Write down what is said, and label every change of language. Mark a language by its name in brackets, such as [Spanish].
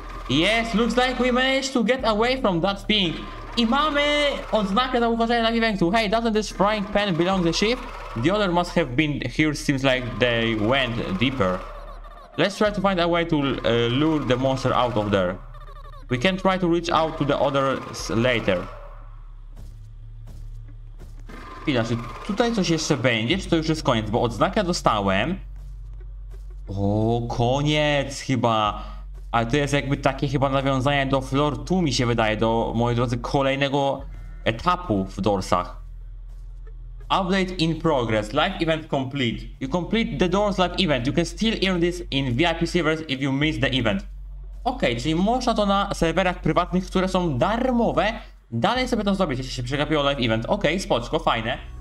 [English] Yes, looks like we managed to get away from that thing. [Polish] I mamy odznakę zauważenia na wiwęgu. [English] Hey, doesn't this frying pan belong the ship? The other must have been here, seems like they went deeper. Let's try to find a way to lure the monster out of there. We can try to reach out to the others later. [Polish] Chwila, czy tutaj coś jeszcze będzie, czy to już jest koniec? Bo odznakę dostałem. O, koniec chyba. Ale to jest jakby takie chyba nawiązanie do Floor 2, mi się wydaje, do, moi drodzy, kolejnego etapu w Dorsach. [English] Update in progress. Live event complete. You complete the Dors live event. You can still earn this in VIP servers if you miss the event. [Polish] Okej, czyli można to na serwerach prywatnych, które są darmowe, dalej sobie to zrobić, jeśli się przegapiło live event. Okej, spoczko, fajne.